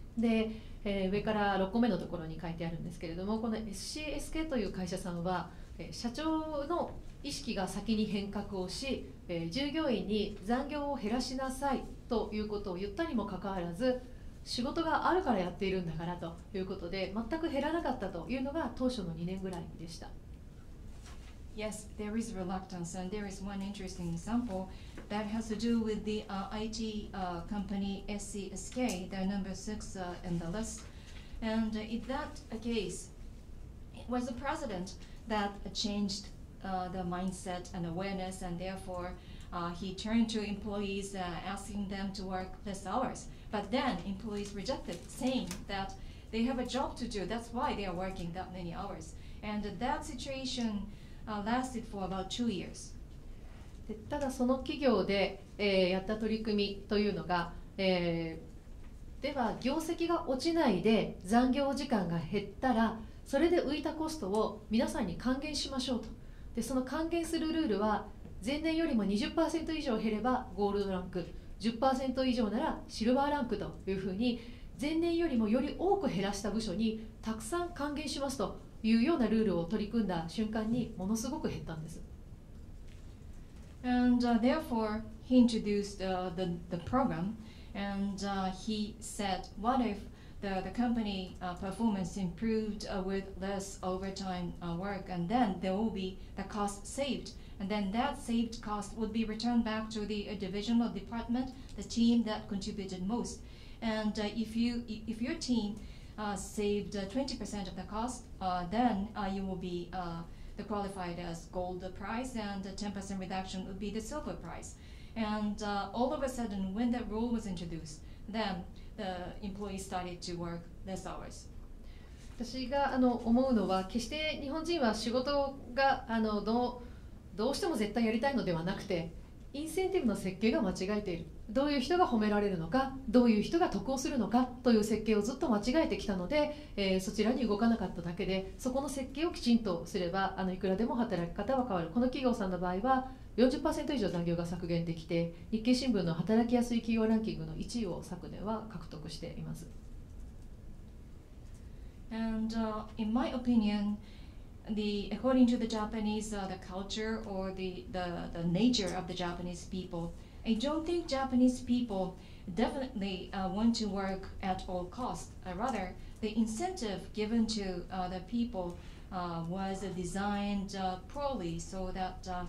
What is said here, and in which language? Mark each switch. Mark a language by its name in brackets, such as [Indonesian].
[Japanese] で、上から6個目のところに書いてあるんですけれども、この SCSK という会社さんは、社長の意識が先に変革をし、従業員に残業を減らしなさいということを言ったにもかかわらず、仕事があるからやっているんだからということで、全く減らなかったというのが当初の2年ぐらいでした。 [English] Yes, there is reluctance, and there is one interesting example that has to do with the IT company SCSK, their number 6 in the list. And in that case, it was the president that changedthe mindset and awareness, and therefore he turned to employees asking them to work less hours. But then employees rejected, saying that they have a job to do, that's why they are working that many hours. And that situation lasted for about 2 years. [Japanese] ただその企業で、やった取り組みというのが、では業績が落ちないで残業時間が減ったら、それで浮いたコストを皆さんに還元しましょうと。でその還元するルールは、前年よりも 20% 以上減ればゴールドランク、 10% 以上ならシルバーランクというふうに、前年よりもより多く減らした部署にたくさん還元しますというようなルールを取り組んだ瞬間にものすごく減ったんです。 [English] And therefore he introduced the program, and he said, what if the company performance improved with less overtime work, and then there will be the cost saved, and then that saved cost would be returned back to the division or department, the team that contributed most. And if your team saved 20% of the cost, then you will be the qualified as gold prize, and a 10% reduction would be the silver prize. And all of a sudden, when that rule was introduced, thenThe employees started to work less hours. [Japanese] 私が思うのは、決して日本人は仕事がどうしても絶対やりたいのではなくて、インセンティブの設計が間違えている。どういう人が褒められるのか、どういう人が得をするのかという設計をずっと間違えてきたので、そちらに動かなかっただけで、そこの設計をきちんとすればいくらでも働き方は変わる。この企業さんの場合は 40% 以上残業が削減できて、日経新聞の働きやすい企業ランキングの1位を昨年は獲得しています。 [English] And, in my opinion, according to the Japanese, the culture or the nature of the Japanese peopleI don't think Japanese people definitely want to work at all costs. Rather, the incentive given to the people was designed poorly so that